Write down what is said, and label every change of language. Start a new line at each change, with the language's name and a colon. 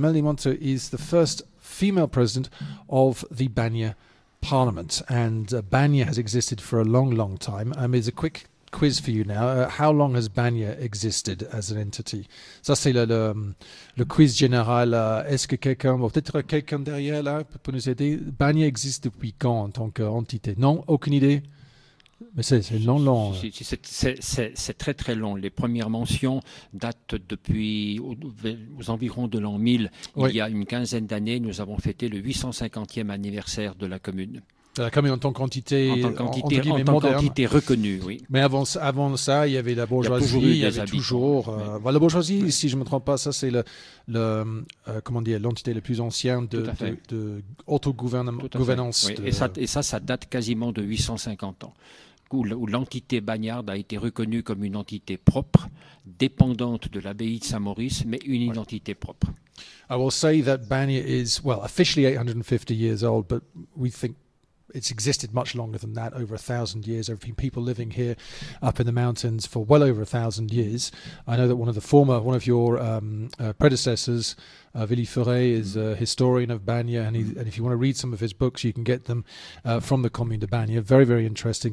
English: Melanie Monto is the first female president of the Banya Parliament, and Banya has existed for a long, long time. There's a quick quiz for you now. How long has Banya existed as an entity?
French: Ça, c'est le quiz général. Est-ce que quelqu'un, peut-être quelqu'un derrière là, peut nous aider? Banya existe depuis quand en tant qu'entité? Non, aucune idée. Mais c'est long, long. C'est très, très long. Les premières mentions datent depuis aux environs de l'an 1000. Oui. Il y a une quinzaine d'années, nous avons fêté le 850e anniversaire de la commune. De la commune en tant qu'entité, en tant qu'entité reconnue, oui. Mais avant ça, il y avait la bourgeoisie. Il y avait toujours la bourgeoisie, oui. Si je ne me trompe pas, ça c'est l'entité la plus ancienne de autogouvernance. Oui. Et ça date quasiment de 850 ans, où l'entité bagnarde a été reconnue comme une entité propre, dépendante de l'abbaye de Saint-Maurice, mais une identité propre.
English: I will say that Banya is, well, officially 850 years old, but we think it's existed much longer than that, over 1,000 years. There have been people living here up in the mountains for well over 1,000 years. I know that one of your predecessors, Willy Furet, is a historian of Banya, and if you want to read some of his books, you can get them from the Commune de Banya. Very, very interesting.